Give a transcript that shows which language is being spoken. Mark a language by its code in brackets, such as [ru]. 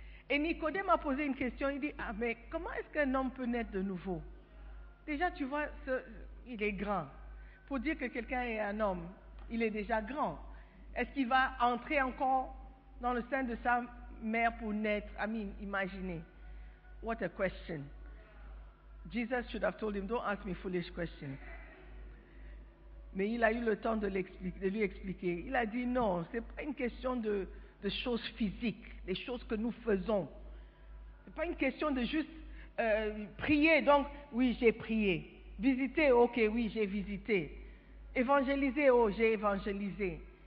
[fr] Et Nicodème a posé une question, il dit, ah mais comment est-ce qu'un homme peut naître de nouveau? Déjà tu vois, il est grand. Pour dire que quelqu'un est un homme, il est déjà grand. Est-ce qu'il va entrer encore dans le sein de sa mère pour naître? [en] I mean, imaginez. What a question. Jesus should have told him, don't ask me foolish questions. [fr] Mais il a eu le temps de lui expliquer. Il a dit non, ce n'est pas une question de choses physiques, des choses que nous faisons. Ce n'est pas une question de juste prier. Donc, oui, j'ai prié. Visiter, ok, oui, j'ai visité. Évangéliser, oh, j'ai évangélisé.